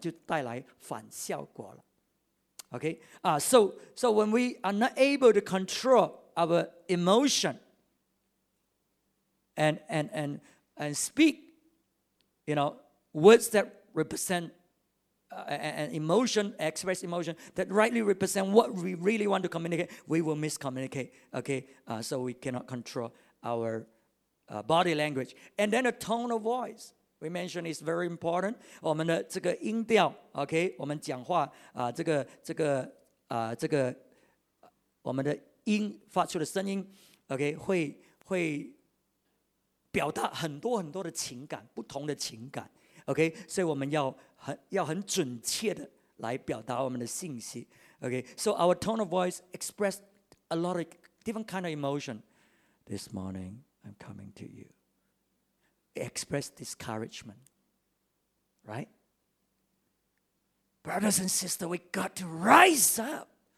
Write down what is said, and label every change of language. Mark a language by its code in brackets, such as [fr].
[zh] 讲话就激动一点了，字句就强烈一点了，你明白我意思吗？那么就带来反效果了。 [en] OK， so when we are not able to control our emotion and speak, you know, words that represent an emotion, express emotion that rightly represent what we really want to communicate, we will miscommunicate. OK, so we cannot control our body language, and then a tone of voice. We mentioned is very important. [zh] 我们的这个音调 ，OK， 我们讲话啊，这个我们的音发出的声音 ，OK， 会表达很多很多的情感，不同的情感 ，OK， 所以我们要很准确的来表达我们的信息 ，OK. [en] So our tone of voice expressed a lot of different kind of emotion this morning. I'm coming to you. Express discouragement. Right? Brothers and sisters, we got to rise up.